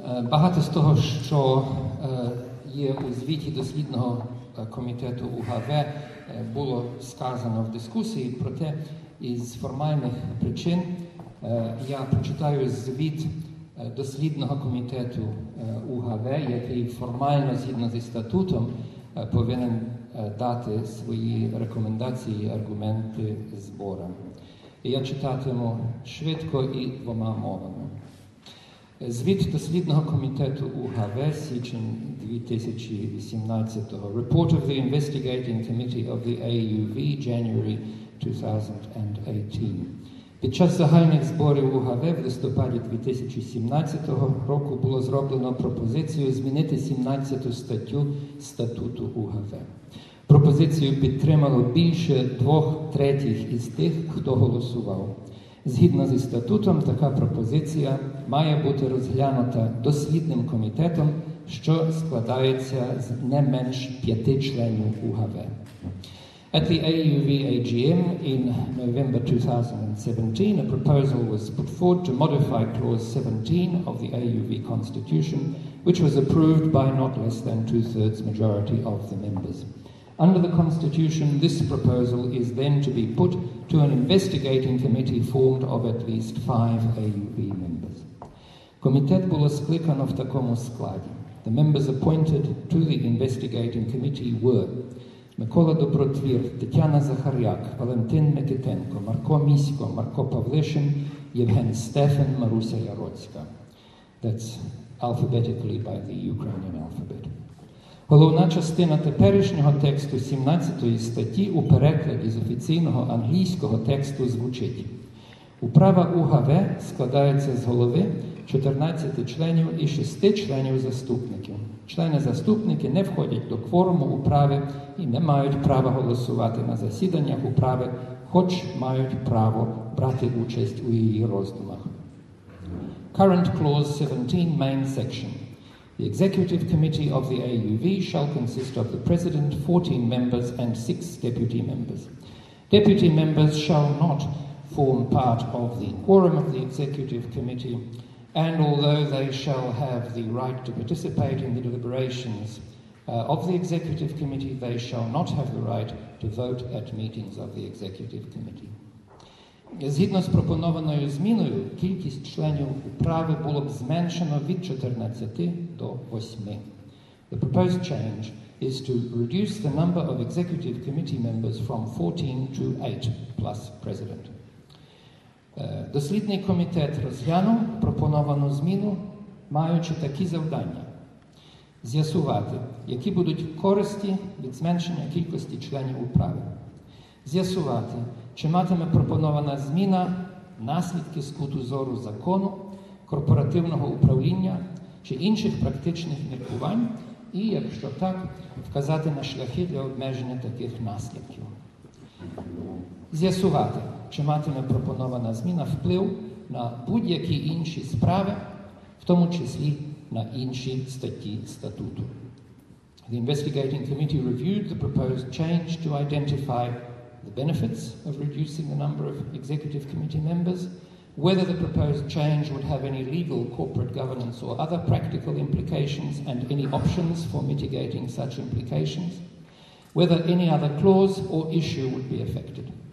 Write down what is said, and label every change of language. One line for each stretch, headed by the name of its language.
Ukrainian: Багато з того, що є у звіті дослідного комітету УГВ, було сказано в дискусії, проте із формальних причин я прочитаю звіт дослідного комітету УГВ, який формально, згідно зі статутом, повинен дати свої рекомендації і аргументи зборам. Я читатиму швидко і двома мовами. Звіт дослідного комітету УГВ, січень 2018-го.
English: Report of the Investigating Committee of the AUV, January 2018.
Ukrainian: Під час загальних зборів УГВ в листопаді 2017 року було зроблено пропозицію змінити 17 статтю статуту УГВ. Пропозицію підтримало більше 2/3 із тих, хто голосував. Згідно зі статутом, така пропозиція має бути розглянута дослідним комітетом, що складається з не менш 5 членів УГВ.
English: At the AUV AGM in November 2017, a proposal was put forward to modify Clause 17 of the AUV Constitution, which was approved by not less than 2/3 majority of the members. Under the Constitution, this proposal is then to be put to an investigating committee formed of at least 5 AUV members.
Ukrainian: Комітет було скликано в такому складі.
English: The members appointed to the investigating committee were Микола Добротвір, Тетяна Захар'як, Валентин Микитенко, Марко Місько, Марко Павлишин, Євген Стефан, Маруся Яроцька. That's alphabetically by the Ukrainian alphabet.
Ukrainian: Головна частина теперішнього тексту 17 статті у перекладі з офіційного англійського тексту звучить. Управа УГВ складається з голови, 14 членів і 6 членів заступників. Члени-заступники не входять до кворуму управи і не мають права голосувати на засіданнях управи, хоч мають право брати участь у її роздумах.
English: Current Clause 17, Main Section. The Executive Committee of the AUV shall consist of the President, 14 members and 6 deputy members. Deputy members shall not form part of the quorum of the Executive Committee, and although they shall have the right to participate in the deliberations of the Executive Committee, they shall not have the right to vote at meetings of the Executive Committee.
Ukrainian: Згідно з пропонованою зміною, кількість членів управи було б зменшено від 14 до 8.
English: The proposed change is to reduce the number of Executive Committee members from 14 to 8 plus President.
Ukrainian: Дослідний комітет розглянув пропоновану зміну, маючи такі завдання. З'ясувати, які будуть користі від зменшення кількості членів управи. З'ясувати, чи матиме пропонована зміна наслідки з куту зору закону, корпоративного управління чи інших практичних міркувань, і, якщо так, вказати на шляхи для обмеження таких наслідків. З'ясувати, чи матиме пропонована зміна вплив на будь-які інші справи, в тому числі на інші статті статуту.
English: The investigating committee reviewed the proposed change to identify the benefits of reducing the number of executive committee members, whether the proposed change would have any legal, corporate governance or other practical implications, and any options for mitigating such implications, whether any other clause or issue would be affected.